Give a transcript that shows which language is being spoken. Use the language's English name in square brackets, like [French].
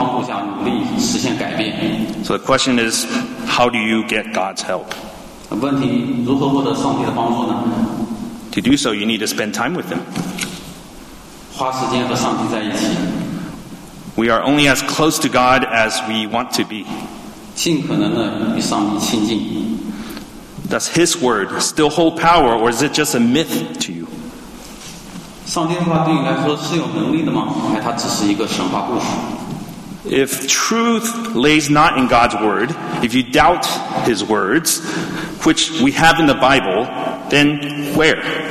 [Chinese] 除了知道我们的问题以外，还有一个自己的做法，就是在上帝的帮助下努力实现改变。 [English] So the question is, how do you get God's help? [Chinese] 问题，如何获得上帝的帮助呢？ [English] To do so, you need to spend time with him. [Chinese] 花时间和上帝在一起。 [English] We are only as close to God as we want to be. [Chinese] 尽可能的与上帝亲近。 [English] Does his word still hold power, or is it just a myth to you? [Chinese] 上帝的话对你来说是有能力的吗？还它只是一个神话故事。 [English] If truth lays not in God's word, if you doubt his words, which we have in the Bible, then where?